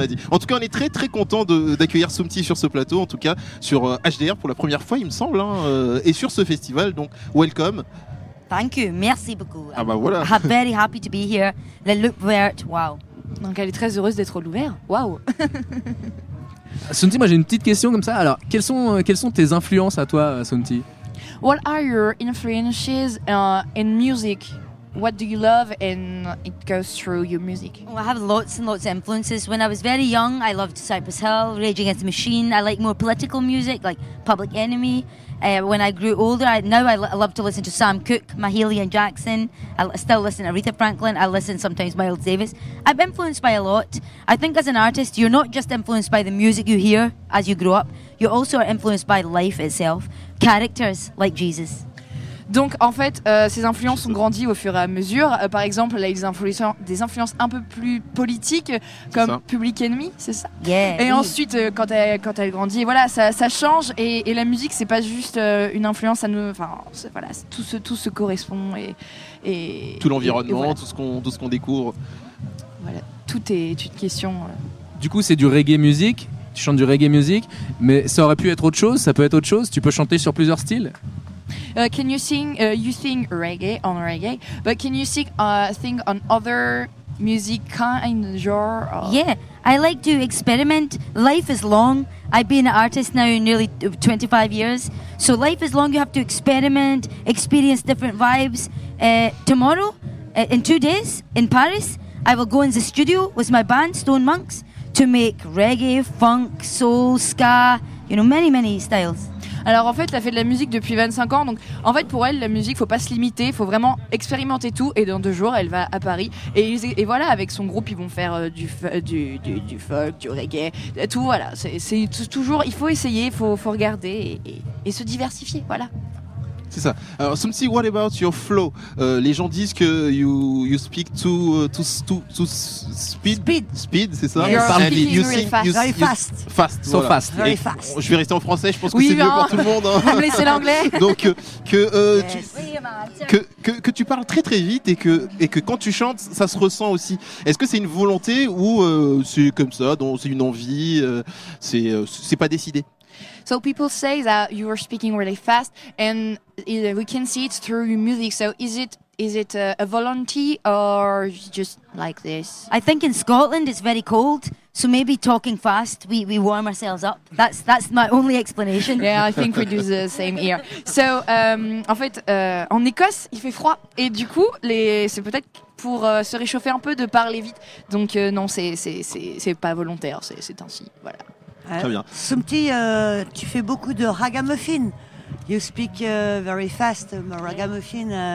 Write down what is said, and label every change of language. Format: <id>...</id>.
<fr>En tout cas, on est très très content d'accueillir Soumti sur ce plateau, en tout cas sur HDR pour la première fois, il me semble, et sur ce festival, donc welcome.</fr> <en>Thank you,</en> <fr>merci beaucoup. Ah bah voilà.</fr> <en>I'm very happy to be here. The Louvert, wow.</en> <fr>Donc elle est très heureuse d'être au Louvert, wow. Soumti, moi j'ai une petite question comme ça. Alors, quelles sont tes influences à toi, Soumti?</fr> <en>What are your influences in music? What do you love and it goes through your music? Well, I have lots and lots of influences. When I was very young, I loved Cypress Hill, Rage Against the Machine. I like more political music, like Public Enemy. When I grew older, I love to listen to Sam Cooke, Mahalia Jackson. I still listen to Aretha Franklin. I listen sometimes to Miles Davis. I'm influenced by a lot. I think as an artist, you're not just influenced by the music you hear as you grow up. You also are influenced by life itself. Characters like Jesus.</en> <fr>Donc en fait, ces influences ont grandi au fur et à mesure. Par exemple, là, des influences un peu plus politiques, comme Public Enemy, c'est ça?</fr> <en>Yeah,</en> <fr>et oui. Ensuite, quand elle grandit, voilà, ça change. Et la musique, c'est pas juste une influence à nous. Enfin, voilà, tout se correspond et tout l'environnement, et voilà. tout ce qu'on découvre. Voilà, tout est une question. Du coup, c'est du reggae music. Tu chantes du reggae music, mais ça aurait pu être autre chose. Ça peut être autre chose. Tu peux chanter sur plusieurs styles.</fr> <en>Can you sing? You sing reggae on reggae, but can you sing on other music kind of genre? Yeah, I like to experiment. Life is long. I've been an artist now nearly 25 years, so life is long. You have to experiment, experience different vibes. Tomorrow, in 2 days, in Paris, I will go in the studio with my band Stone Monks to make reggae, funk, soul, ska. You know, many many styles.</en> <fr>Alors en fait, elle fait de la musique depuis 25 ans, donc en fait pour elle, la musique, faut pas se limiter, faut vraiment expérimenter tout, et dans 2 jours, elle va à Paris, et voilà, avec son groupe, ils vont faire du folk, du reggae, tout, voilà, c'est toujours, il faut essayer, faut regarder, et se diversifier, voilà. C'est ça. Alors Soumti,</fr> <en>what about your flow?</en> <fr>Les gens disent que</fr> <en>you speak too speed. Speed,</en> <fr>c'est ça.</fr> <en>You're speaking really fast. Fast, so</en> <fr>voilà.</fr> <en>Fast. Very fast.</en> <fr>Je vais rester en français. Je pense que c'est mieux pour tout le monde. Hein. Me laisser l'anglais. Donc que tu parles très très vite et que quand tu chantes, ça se ressent aussi. Est-ce que c'est une volonté ou c'est comme ça? Donc c'est une envie. C'est pas décidé.</fr> <en>So people say that you are speaking really fast, and we can see it through your music. So is it a volunteer or just like this? I think in Scotland it's very cold, so maybe talking fast, we warm ourselves up. That's my only explanation. Yeah, I think we do the same here.</en> <fr>So en fait, en Écosse, il fait froid, et du coup, c'est peut-être pour se réchauffer un peu de parler vite. Donc non, c'est pas volontaire, c'est ainsi, voilà. Soumti, tu fais beaucoup de ragamuffin.</fr> <en>You speak very fast,</en> <fr>ragamuffin.</fr>